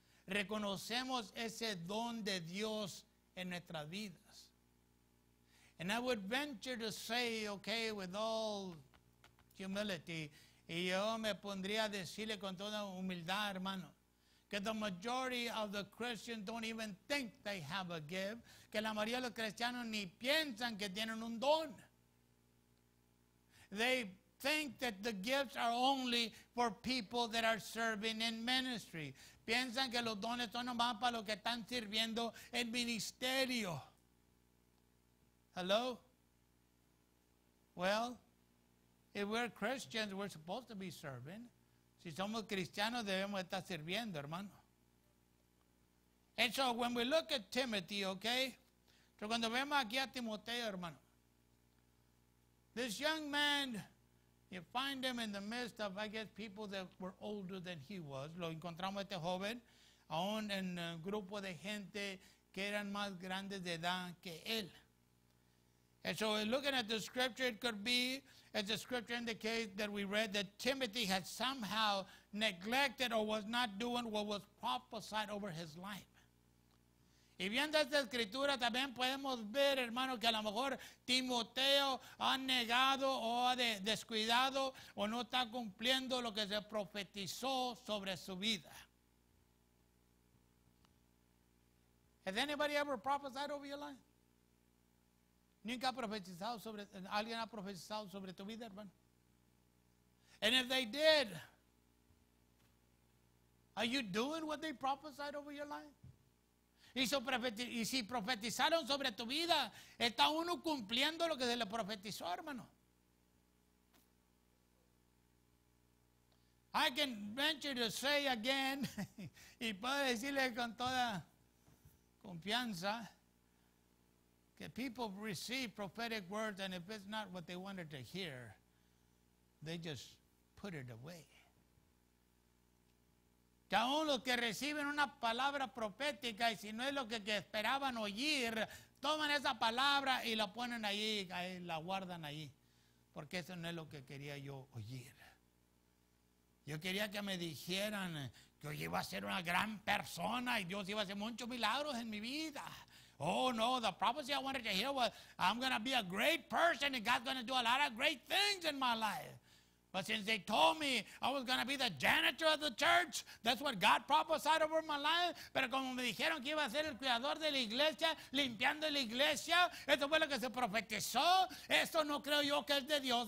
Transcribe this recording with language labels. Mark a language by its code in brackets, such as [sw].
[es] ¿Reconocemos ese don de Dios en nuestras vidas? [en] And I would venture to say, okay, with all humility, [es] Y yo me pondría a decirle con toda humildad, hermano, que [en] the majority of the Christians don't even think they have a gift, [es] que la mayoría de los cristianos ni piensan que tienen un don. [en] They think that the gifts are only for people that are serving in ministry. [es] Piensan que los dones son nomás para los que están sirviendo en ministerio. [en] Hello? Well, if we're Christians, we're supposed to be serving. [es] Si somos cristianos, debemos estar sirviendo, hermano. [en] And so when we look at Timothy, okay? [es] So cuando vemos aquí a Timoteo, hermano, [en] this young man, you find him in the midst of, I guess, people that were older than he was. [es] Lo encontramos este joven, aún en un grupo de gente que eran más grandes de edad que él. [en] And so looking at the scripture, it could be, as the scripture indicates that we read, that Timothy had somehow neglected or was not doing what was prophesied over his life. [es] Y viendo esta escritura, también podemos ver, hermano, que a lo mejor Timoteo ha negado o ha descuidado o no está cumpliendo lo que se profetizó sobre su vida. [en] Has anybody ever prophesied over your life? [es] ¿Nunca ha profetizado sobre, alguien ha profetizado sobre tu vida, hermano? [en] And if they did, are you doing what they prophesied over your life? [es] Y si profetizaron sobre tu vida, ¿está uno cumpliendo lo que se le profetizó, hermano? [en] I can venture to say again, [es] y puedo decirle con toda confianza, que [en] people receive prophetic words, and if it's not what they wanted to hear, they just put it away. [es] Que aún los que reciben una palabra profética y si no es lo que esperaban oír, toman esa palabra y la ponen ahí, la guardan ahí, porque eso no es lo que quería yo oír. Yo quería que me dijeran que yo iba a ser una gran persona y Dios iba a hacer muchos milagros en mi vida. [en] Oh no, the prophecy I wanted to hear was I'm going to be a great person and God's going to do a lot of great things in my life. But since they told me I was going to be the janitor of the church, that's what God prophesied over my life. [es] Pero como me dijeron que iba a ser el cuidador de la iglesia, limpiando la iglesia, eso fue lo que se profetizó. Eso no creo yo que es de Dios.